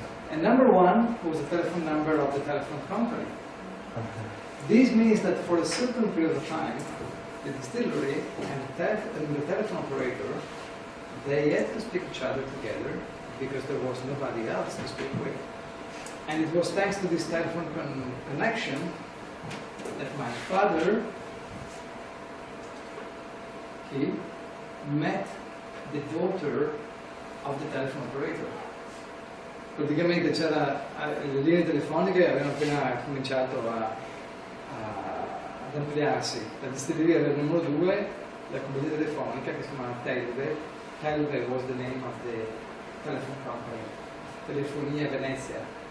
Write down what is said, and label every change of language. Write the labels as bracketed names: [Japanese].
[English] And number 1 was the telephone number of the telephone company. This means that for a certain period of time, the distillery and the telephone operator, they had to speak each other together because there was nobody else to speak with. And it was thanks to this telephone connection that my father, he met the daughter of the telephone operator. [Italian] Praticamente c'era le linee telefoniche avevano appena cominciato ad ampliarsi. La distribuzione era il numero 2, la compagnia telefonica che si chiamava Telve. [English] Telve was the name of the telephone company, Telefonia Venezia.